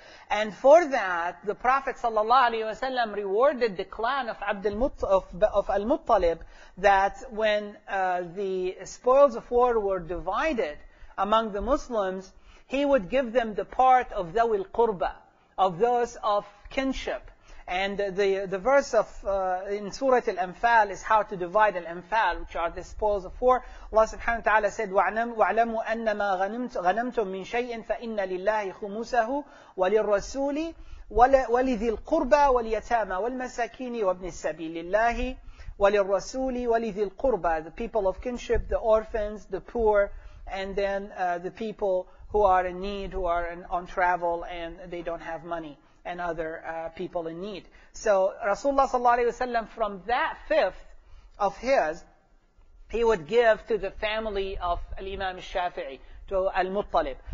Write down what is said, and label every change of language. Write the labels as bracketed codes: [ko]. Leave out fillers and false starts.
[en] And for that, the Prophet sallallahu alaihi wasallam rewarded the clan of Al-Muttalib, that when the spoils of war were divided among the Muslims, he would give them the part of [ar] ذوي القربة, [en] of those of kinship. And the verse of in Surah Al-Anfal is how to divide Al-Anfal, which are the spoils of war. Allah subhanahu wa ta'ala said, [ar] وَعْلَمُوا أَنَّمَا غَنَمْتُمْ مِنْ شَيْءٍ فَإِنَّ لِلَّهِ خُمُسَهُ وَلِلرَّسُولِ وَلِذِي الْقُرْبَى وَالْيَتَامَى وَالْمَسَاكِينِ وَابْنِ السَّبِيلِ اللَّهِ وَلِلرَّسُولِ وَلِذِي الْقُرْبَى. [en] The people of kinship, the orphans, the poor, and then the people who are in need, who are on travel and they don't have money, and other people in need. So Rasulullah sallallahu alaihi wasallam, from that fifth of his, he would give to the family of Imam Shafi'i, to Al-Muttalib.